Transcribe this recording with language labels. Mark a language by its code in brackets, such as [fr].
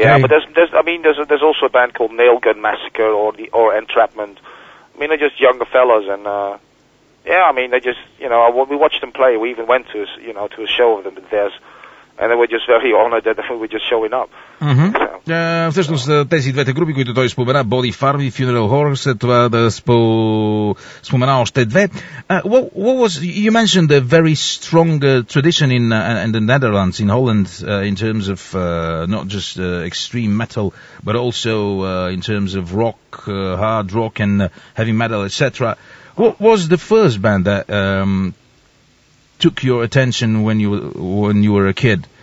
[en] Yeah, but there's also a band called Nailgun Massacre or Entrapment. I mean, they're just younger fellas and yeah, I mean, they just, you know, we watched them play. We even went to, you know, to a show of them and theirs. And they were just very honored that they were just showing up. [bg] Всъщност тези двете групи, които той спомена, Body Farm и Funeral Horror, след това да спомена още две. [en] You mentioned a very strong tradition in the Netherlands, in Holland, in terms of not just extreme metal, but also in terms of rock, hard rock and heavy metal, etc. What was the first band that took your attention when you were a kid?